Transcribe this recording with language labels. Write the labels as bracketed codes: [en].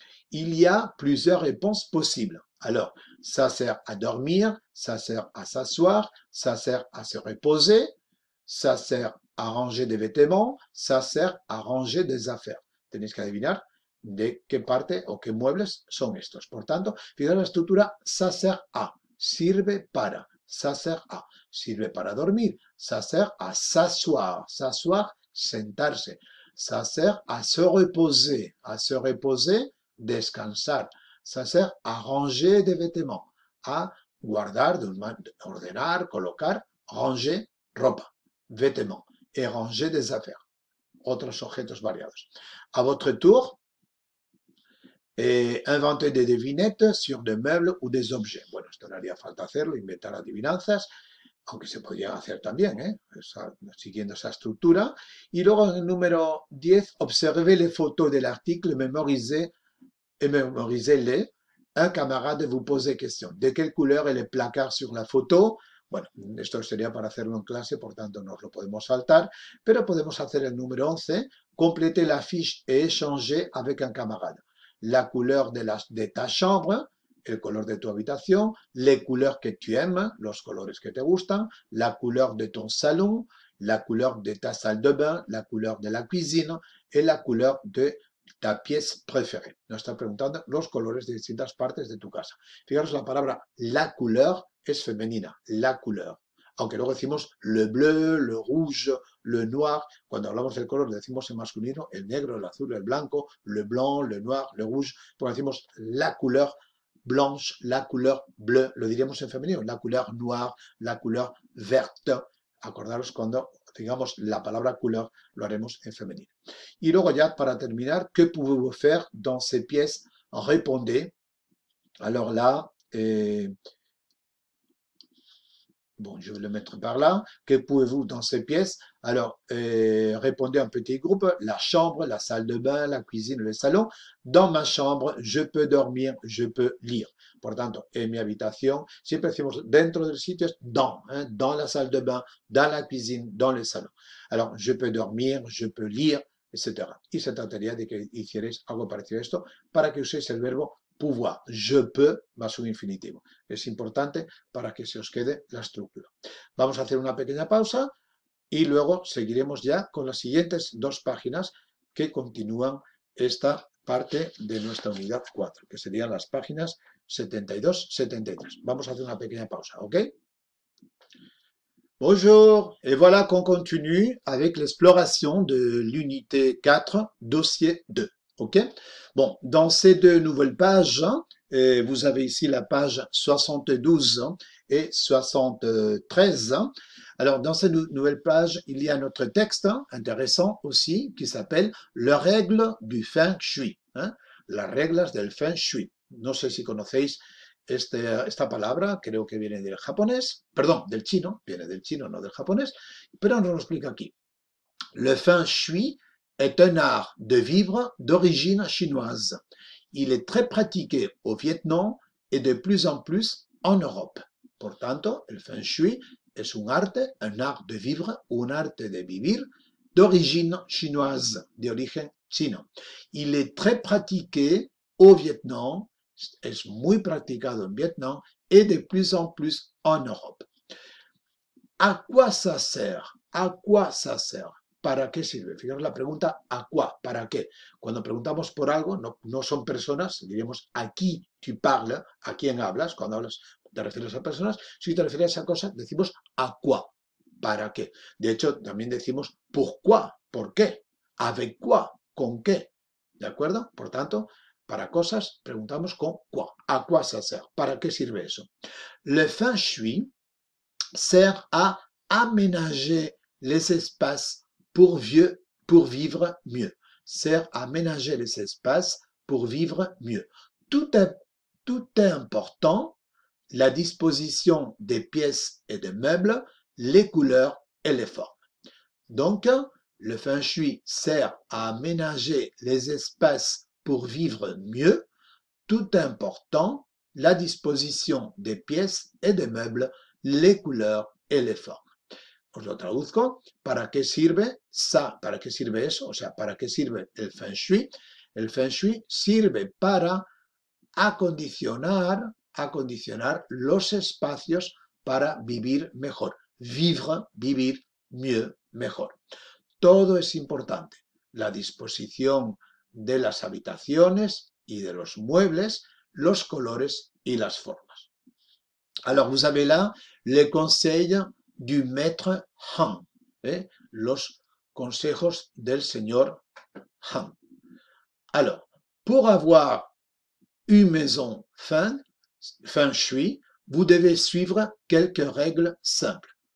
[fr] Il y a plusieurs réponses possibles. Alors, ça sert à dormir, ça sert à s'asseoir, ça sert à se reposer, ça sert à ranger des vêtements, ça sert à ranger des affaires. [es] Tenéis que adivinar de qué parte o qué muebles son estos. Por tanto, fijaros la estructura, ça sert à, sirve para, ça sert à, sirve para dormir, ça sert à s'asseoir, s'asseoir, sentarse, ça sert à se reposer, descansar, ça sert à ranger des vêtements, à guardar, ordenar, colocar, ranger, ropa, vêtements, et ranger des affaires. Otros objetos variados. [fr] A votre tour, et inventer des devinettes sur des meubles ou des objets. [es] Bueno, esto no haría falta hacerlo, inventar adivinanzas, aunque se podría hacer también, siguiendo esa estructura. Y luego, en el número 10, [fr] observer les photos de l'article, memorisez-les. Un camarade vous pose question. [es] ¿De qué [fr] couleur est le placard sur la photo? [es] Bueno, esto sería para hacerlo en clase, por tanto, nos lo podemos saltar, pero podemos hacer el número 11, [fr] compléter la fiche et échanger avec un camarade. La couleur de ta chambre, [es] el color de tu habitación, [fr] les couleurs que tu aimes, [es] los colores que te gustan, [fr] la couleur de ton salon, la couleur de ta salle de bain, la couleur de la cuisine et la couleur de ta pièce préférée. [es] Nos está preguntando los colores de distintas partes de tu casa. Fijaros, la palabra la couleur es femenina, la couleur. Aunque luego decimos [fr] le bleu, le rouge, le noir. [es] Cuando hablamos del color, decimos en masculino el negro, el azul, el blanco, [fr] le blanc, le noir, le rouge. [es] Cuando decimos [fr] la couleur blanche, la couleur bleue, [es] lo diríamos en femenino, [fr] la couleur noire, la couleur verte. [es] Acordaros cuando digamos la palabra couleur, lo haremos en femenino. Y luego ya para terminar, [fr] ¿qué pouvez-vous faire dans ces pièces? Répondez. Alors là, bon, je vais le mettre par là. Que pouvez-vous dans ces pièces? Alors, répondez en petit groupe. La chambre, la salle de bain, la cuisine, le salon. Dans ma chambre, je peux dormir, je peux lire. [es] Por tanto, en mi habitación, siempre decimos dentro del sitio, dans, hein, [fr] dans la salle de bain, dans la cuisine, dans le salon. Alors, je peux dormir, je peux lire, etc. [es] Y se trataría de que hicierais algo parecido a esto para que uséis el verbo pouvoir, [fr] je peux, [es] más un infinitivo. Es importante para que se os quede la estructura. Vamos a hacer una pequeña pausa y luego seguiremos ya con las siguientes dos páginas que continúan esta parte de nuestra unidad 4, que serían las páginas 72-73. Vamos a hacer una pequeña pausa, ¿ok? [fr] Bonjour, et voilà qu'on continue avec l'exploration de l'unité 4, dossier 2. OK? Bon, dans ces deux nouvelles pages, vous avez ici la page 72 et 73. Alors, dans ces nouvelles pages, il y a notre texte intéressant aussi qui s'appelle « La règle du feng shui hein? ». [es] Las reglas del feng shui. No sé si conocéis esta palabra, creo que viene del japonés, perdón, del chino, viene del chino, no del japonés, pero nos lo explica aquí. [fr] Le feng shui est un art de vivre d'origine chinoise. Il est très pratiqué au Vietnam et de plus en plus en Europe. [es] Por tanto, el feng shui es [fr] un art de vivre, [es] un arte de vivir [fr] d'origine chinoise, [es] de origen chino. [fr] Il est très pratiqué au Vietnam, [es] es muy practicado en Vietnam [fr] et de plus en plus en Europe. ¿A quoi ça sert? ¿A quoi ça sert? [es] ¿Para qué sirve? Fijaros la pregunta, [fr] ¿a quoi? [es] ¿Para qué? Cuando preguntamos por algo, no son personas, diríamos, [fr] ¿a qui tu parles? [es] ¿A quién hablas? Cuando hablas, te refieres a personas. Si te refieres a esa cosa, decimos, [fr] ¿a quoi? [es] ¿Para qué? De hecho, también decimos, ¿pourquoi? ¿Por qué? [fr] ¿Avec quoi? [es] ¿Con qué? ¿De acuerdo? Por tanto, para cosas, preguntamos con quoi. [fr] ¿A quoi ça sert? [es] ¿Para qué sirve eso? [fr] Le feng shui sert à aménager les espaces pour vivre mieux. Sert à aménager les espaces pour vivre mieux. Tout est important, la disposition des pièces et des meubles, les couleurs et les formes. Donc, le feng shui sert à aménager les espaces pour vivre mieux. Tout est important, la disposition des pièces et des meubles, les couleurs et les formes. [es] Yo traduzco, ¿para qué sirve ça? ¿Para qué sirve eso? O sea, ¿para qué sirve el feng shui? El feng shui sirve para acondicionar los espacios para vivir mejor. Vivre, vivir mieux, mejor. Todo es importante. La disposición de las habitaciones y de los muebles, los colores y las formas. [fr] Alors, vous avez là les conseils du maître Han, [es] los consejos del señor Han. [fr] Alors, pour avoir une maison feng shui, vous devez suivre quelques règles simples.